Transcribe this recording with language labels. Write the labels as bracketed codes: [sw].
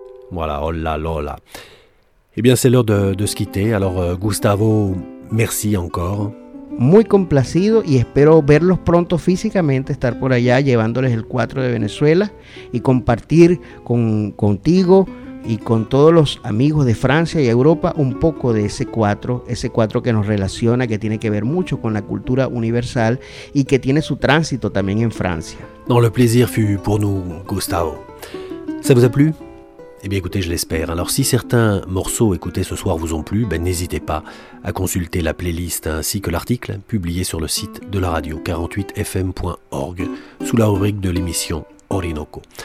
[fr] Voilà, oh là là là. Eh bien, c'est l'heure de se quitter. Alors, Gustavo, merci encore. [es] Muy complacido y espero verlos pronto físicamente, estar por allá llevándoles el 4 de Venezuela y compartir contigo y con todos los amigos de Francia y Europa un poco de ese 4 que nos relaciona, que tiene que ver mucho con la cultura universal y que tiene su tránsito también en Francia. [fr] Non, le plaisir fut pour nous, Gustavo. Ça vous a plu? Eh bien écoutez, je l'espère. Alors si certains morceaux écoutés ce soir vous ont plu, ben n'hésitez pas à consulter la playlist ainsi que l'article publié sur le site de la radio 48fm.org sous la rubrique de l'émission Orinoco.